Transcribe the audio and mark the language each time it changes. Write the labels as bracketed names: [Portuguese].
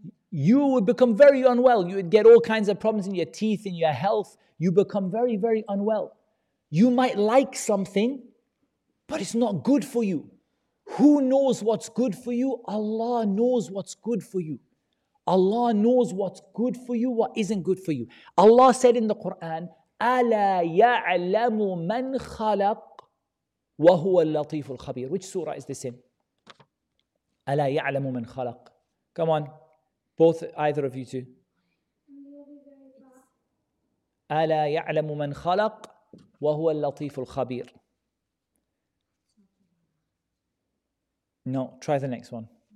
[English] You would become very unwell. You would get all kinds of problems in your teeth, in your health. You become very, very unwell. You might like something, but it's not good for you. Who knows what's good for you? Allah knows what's good for you. Allah knows what's good for you, what isn't good for you. Allah said in the Quran, [Arabic] أَلَا يَعْلَمُ مَنْ خَلَقَ وَهُوَ اللَّطِيفُ الْخَبِيرُ. [English] Which surah is this in? [Arabic] أَلَا يَعْلَمُ مَنْ خَلَقَ. [English] Come on, both, either of you two. [Arabic] أَلَا يَعْلَمُ مَنْ خَلَقَ وَهُوَ اللَّطِيفُ الْخَبِيرُ. [English] No, try the next one.